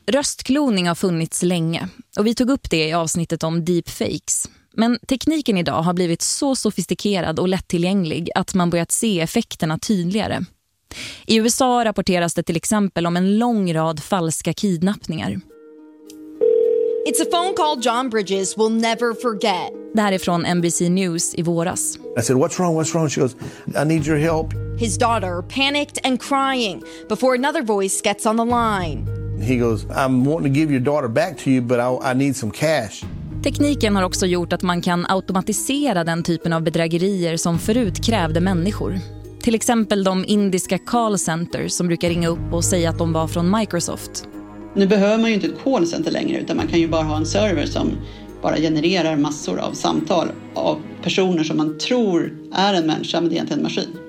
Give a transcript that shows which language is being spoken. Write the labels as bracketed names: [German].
[Swedish] Röstkloning har funnits länge, och vi tog upp det i avsnittet om deepfakes. Men tekniken idag har blivit så sofistikerad och lättillgänglig att man börjat se effekterna tydligare. I USA rapporteras det till exempel om en lång rad falska kidnappningar. [English] It's a phone call John Bridges will never forget. [Swedish] Det här är från NBC News i våras. [English] I said, what's wrong, what's wrong? She goes, I need your help. His daughter panicked and crying before another voice gets on the line. He goes, I'm wanting to give your daughter back to you, but I need some cash. [Swedish] Tekniken har också gjort att man kan automatisera den typen av bedrägerier som förut krävde människor. Till exempel de indiska callcenter som brukar ringa upp och säga att de var från Microsoft. Nu behöver man ju inte ett callcenter längre, utan man kan ju bara ha en server som bara genererar massor av samtal av personer som man tror är en människa, men det är egentligen en maskin.